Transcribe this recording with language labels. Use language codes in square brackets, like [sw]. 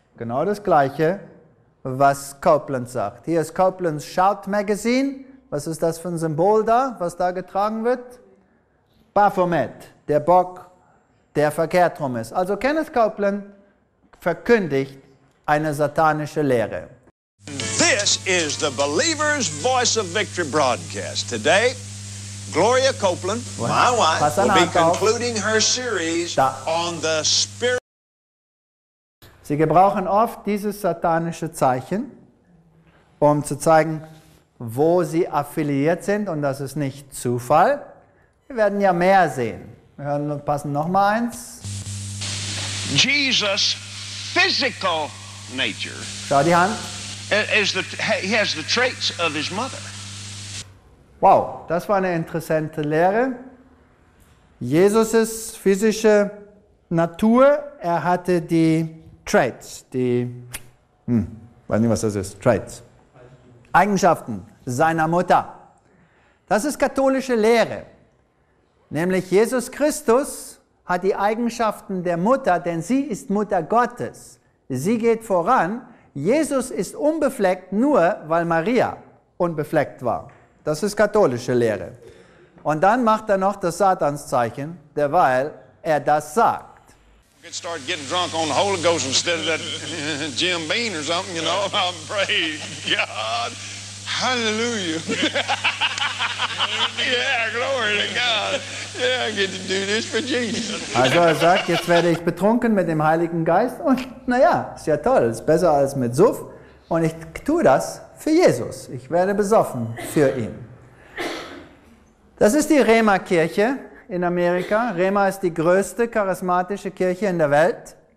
[de] Genau das Gleiche, was Copeland sagt. Hier ist Copeland's Shout Magazine. Was ist das für ein Symbol da, was da getragen wird? Baphomet, der Bock, der verkehrt rum ist. Also Kenneth Copeland verkündigt eine satanische Lehre. [en] This is the Believer's Voice of Victory broadcast. Today, Gloria Copeland, my wife, will be concluding her series on the Spirit. [de] Sie gebrauchen oft dieses satanische Zeichen, um zu zeigen, wo sie affiliiert sind, und das ist nicht Zufall. Wir werden ja mehr sehen. Wir hören und passen noch mal eins. [en] Jesus' physical nature. [de] Schau die Hand. [en] He has the traits of his mother. [de] Wow, das war eine interessante Lehre. Jesus' physische Natur, er hatte die Traits, die, weiß nicht, was das ist, Traits. Eigenschaften seiner Mutter. Das ist katholische Lehre. Nämlich Jesus Christus hat die Eigenschaften der Mutter, denn sie ist Mutter Gottes. Sie geht voran. Jesus ist unbefleckt, nur weil Maria unbefleckt war. Das ist katholische Lehre. Und dann macht er noch das Satanszeichen, derweil er das sagt. [en] Get start getting drunk on the Holy Ghost instead of that Jim Beam or something, you know. I'm praying God. Hallelujah. Yeah, glory to God. Yeah, I get to do this for Jesus. [de] Also er sagt, jetzt werde ich betrunken mit dem Heiligen Geist. Und naja, ist ja toll, ist besser als mit Suff. Und ich tue das für Jesus. Ich werde besoffen für ihn. Das ist die Rema-Kirche. In Amerika. Rema ist die größte charismatische Kirche in der Welt.